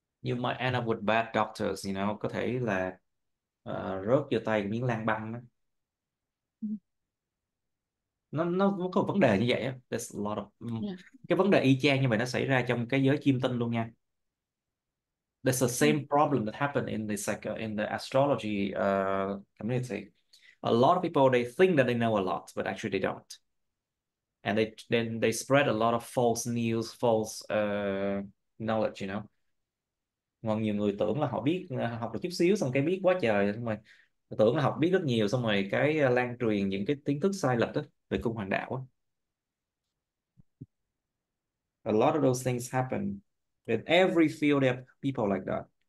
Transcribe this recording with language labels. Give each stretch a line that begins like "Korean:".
English: You might end up with bad doctors,
Vietnamese: có thể là rớt vào tay miếng lang băm đó. Nó có vấn đề như vậy á.
English: There's a lot of
Vietnamese: cái vấn đề y chang như vậy nó xảy ra trong cái giới chiêm tinh luôn nha.
English: There's the same problem that happened in the astrology community. A lot of people they think that they know a lot, but actually they don't. And then they spread a lot of false news, false knowledge,
Vietnamese: Còn nhiều người tưởng là họ biết học được chút xíu xong cái biết quá trời xong rồi tưởng là học biết rất nhiều xong rồi cái lan truyền những cái kiến thức sai lệch đó về cung hoàng đạo đó.
English: A lot of those things happen in every field they have people like that.